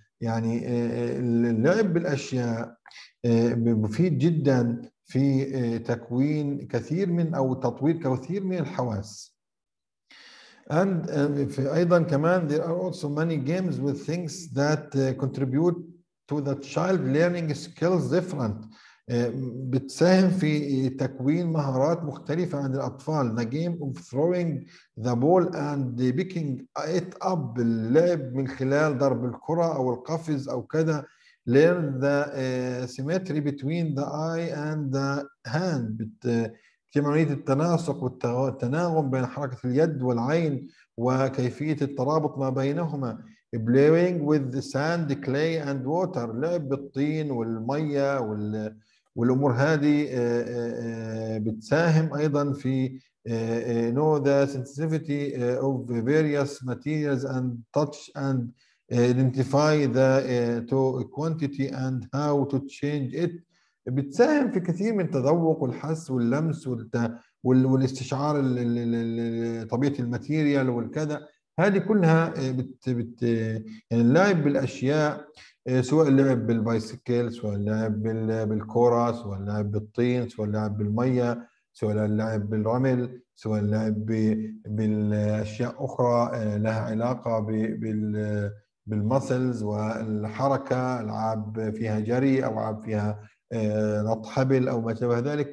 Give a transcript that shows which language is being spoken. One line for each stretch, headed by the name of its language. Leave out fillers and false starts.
Arabic: يعني اللعب بالأشياء مفيد جدا في تكوين كثير من أو تطوير كثير من الحواس.
English: And
Arabic: أيضا كمان
English: there are also many games with things that contribute to that child learning skills different.
Arabic: بتساهم في تكوين مهارات مختلفة عند الأطفال.
English: The game of throwing the ball and picking it up.
Arabic: اللعب من خلال ضرب الكرة أو القفز أو كذا.
English: Learn the symmetry between the eye and the hand.
Arabic: عملية التناسق والتناغم بين حركة اليد والعين وكيفية الترابط ما بينهما.
English: Playing with sand, clay and water.
Arabic: لعب بالطين والمية والأمور هذه بتساهم أيضا في
English: know the sensitivity of various materials and touch and identify the quantity and how to change it.
Arabic: بتساهم في كثير من التذوق والحس واللمس والاستشعار طبيعة الماتيريال والكذا. هذه كلها يعني اللعب بالأشياء، سواء اللعب بالبايسيكل، سواء اللعب بالكرة، سواء اللعب بالطين، سواء اللعب بالمية، سواء اللعب بالرمل، سواء اللعب بالأشياء أخرى لها علاقة بالمسلز والحركة، ألعاب فيها جري أو ألعاب فيها نط حبل أو ما شابه ذلك.